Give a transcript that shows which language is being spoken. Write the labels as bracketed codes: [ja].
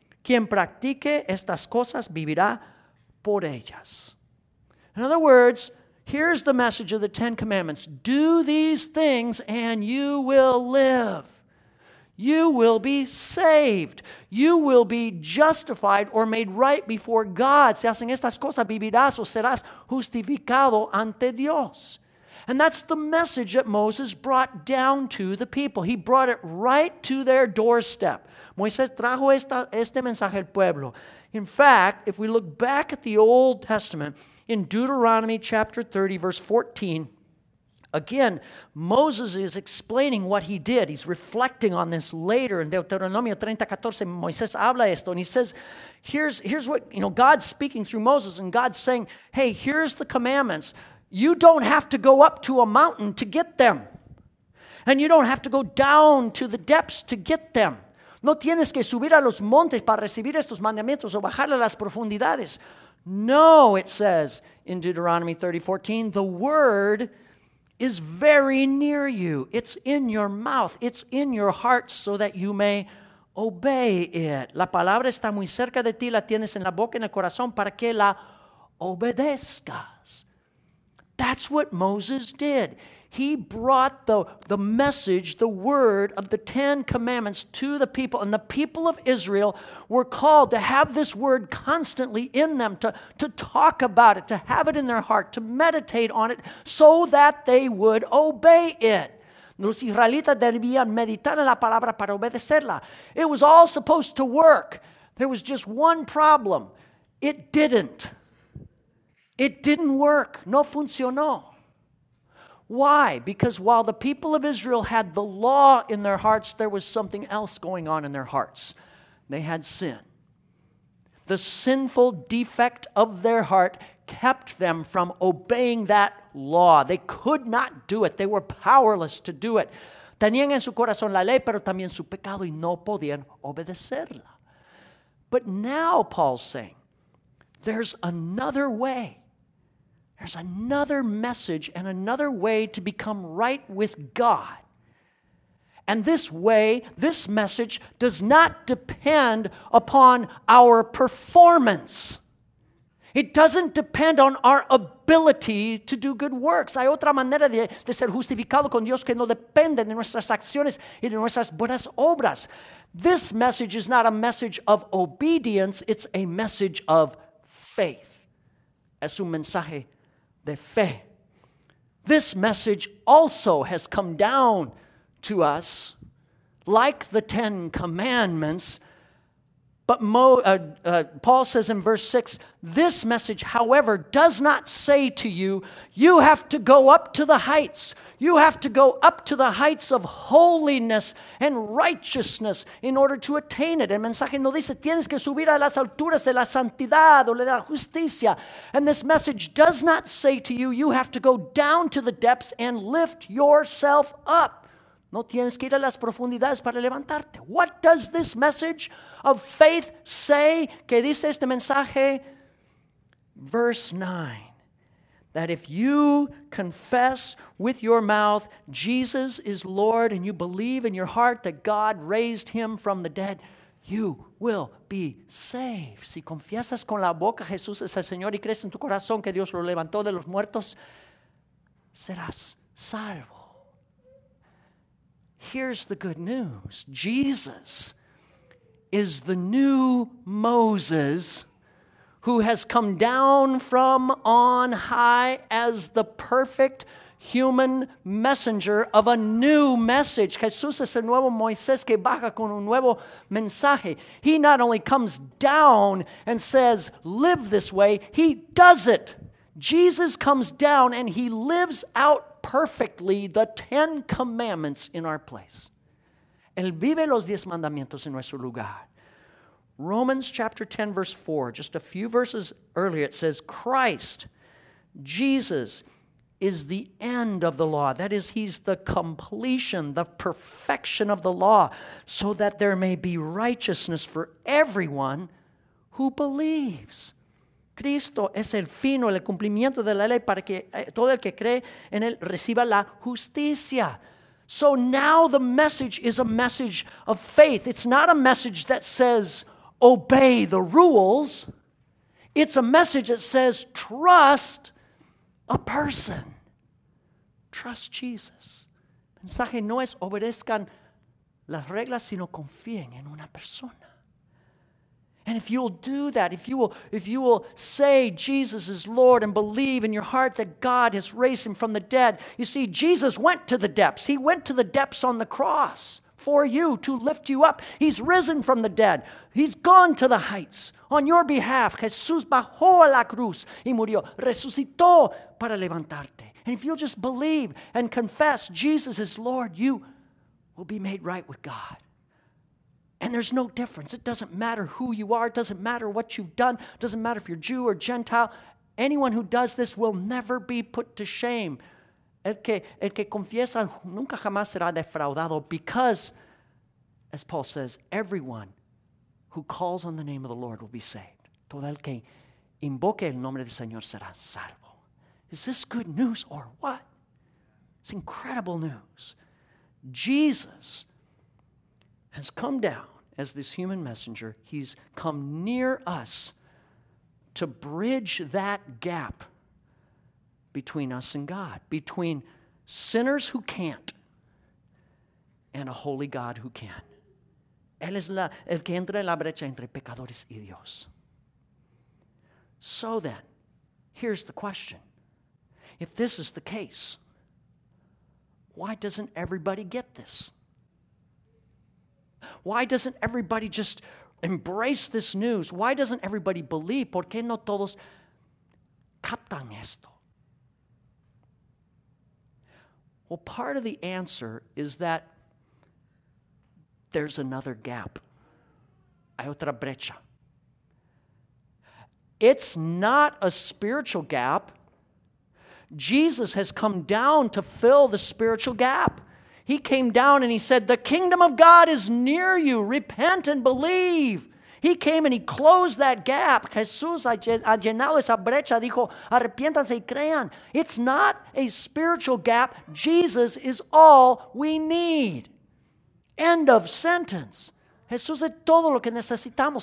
[es] Quien practique estas cosas vivirá por ellas. [en] In other words, here's the message of the Ten Commandments. Do these things and you will live. You will be saved. You will be justified or made right before God. [es] Si hacen estas cosas, vivirás o serás justificado ante Dios. [en] And that's the message that Moses brought down to the people. He brought it right to their doorstep. [es] Moisés trajo este mensaje al pueblo. [en] In fact, if we look back at the Old Testament, in Deuteronomy chapter 30, verse 14, again, Moses is explaining what he did. He's reflecting on this later. In [es] Deuteronomio 30:14, Moisés habla esto, [en] and he says, here's what, you know, God's speaking through Moses, and God's saying, hey, here's the commandments. You don't have to go up to a mountain to get them. And you don't have to go down to the depths to get them. [es] No tienes que subir a los montes para recibir estos mandamientos o bajar a las profundidades. [en] No, it says in Deuteronomy 30:14, the word is very near you. It's in your mouth. It's in your heart so that you may obey it. [es] La palabra está muy cerca de ti. La tienes en la boca y en el corazón para que la obedezcas. [en] That's what Moses did. He brought the message, the word of the Ten Commandments to the people. And the people of Israel were called to have this word constantly in them, to talk about it, to have it in their heart, to meditate on it, so that they would obey it. [es] Los israelitas debían meditar en la palabra para obedecerla. [en] It was all supposed to work. There was just one problem. It didn't. It didn't work. [es] No funcionó. [en] Why? Because while the people of Israel had the law in their hearts, there was something else going on in their hearts. They had sin. The sinful defect of their heart kept them from obeying that law. They could not do it. They were powerless to do it. [es] Tenían en su corazón la ley, pero también su pecado, y no podían obedecerla. [en] But now, Paul's saying, there's another way. There's another message and another way to become right with God. And this way, this message, does not depend upon our performance. It doesn't depend on our ability to do good works. [es] Hay otra manera de ser justificado con Dios que no depende de nuestras acciones y de nuestras buenas obras. [en] This message is not a message of obedience, it's a message of faith. [es] Es un mensaje de fe. [en] This message also has come down to us like the Ten Commandments. But Paul says in verse 6, this message, however, does not say to you, you have to go up to the heights. You have to go up to the heights of holiness and righteousness in order to attain it. [es] El mensaje no dice, tienes que subir a las alturas de la santidad o de la justicia. [en] And this message does not say to you, you have to go down to the depths and lift yourself up. [es] No tienes que ir a las profundidades para levantarte. [en] What does this message of faith say? [es] ¿Qué dice este mensaje? [en] Verse 9. That if you confess with your mouth Jesus is Lord and you believe in your heart that God raised him from the dead, you will be saved. [es] Si confiesas con la boca Jesús es el Señor y crees en tu corazón que Dios lo levantó de los muertos, serás salvo. [en] Here's the good news. Jesus is the new Moses who has come down from on high as the perfect human messenger of a new message. [es] Jesús es el nuevo Moisés que baja con un nuevo mensaje. [en] He not only comes down and says, live this way, he does it. Jesus comes down and he lives out perfectly the Ten Commandments in our place. [es] Él vive los diez mandamientos en nuestro lugar. [en] Romans chapter 10 verse 4, just a few verses earlier, it says, Christ, Jesus, is the end of the law. That is, he's the completion, the perfection of the law, so that there may be righteousness for everyone who believes. [es] Cristo es el fin o el cumplimiento de la ley para que todo el que cree en él reciba la justicia. [en] So now the message is a message of faith. It's not a message that says, obey the rules. It's a message that says, trust a person. Trust Jesus. [es] El mensaje no es obedezcan las reglas, sino confíen en una persona. [en] And if you'll do that, if you will say Jesus is Lord and believe in your heart that God has raised him from the dead. You see, Jesus went to the depths. He went to the depths on the cross for you to lift you up. He's risen from the dead. He's gone to the heights on your behalf. [es] Jesús bajó a la cruz y murió. Resucitó para levantarte. [en] And if you'll just believe and confess Jesus is Lord, you will be made right with God. And there's no difference. It doesn't matter who you are. It doesn't matter what you've done. It doesn't matter if you're Jew or Gentile. Anyone who does this will never be put to shame. [es] El que confiesa nunca jamás será defraudado [en] because, as Paul says, everyone who calls on the name of the Lord will be saved. [es] Todo el que invoque el nombre del Señor será salvo. [en] Is this good news or what? It's incredible news. Jesus has come down as this human messenger. He's come near us to bridge that gap between us and God, between sinners who can't and a holy God who can. [es] Él es el que entra en la brecha entre pecadores y Dios. [en] So then, here's the question. If this is the case, why doesn't everybody get this? Why doesn't everybody just embrace this news? Why doesn't everybody believe? [es] ¿Por qué no todos captan esto? [en] Well, part of the answer is that there's another gap. [es] Hay otra brecha. [en] It's not a spiritual gap. Jesus has come down to fill the spiritual gap. He came down and he said, the kingdom of God is near you. Repent and believe. He came and he closed that gap. [es] Jesús ha llenado esa brecha. Dijo, arrepiéntanse y crean. [en] It's not a spiritual gap. Jesus is all we need. End of sentence. [es] Jesús es todo lo que necesitamos.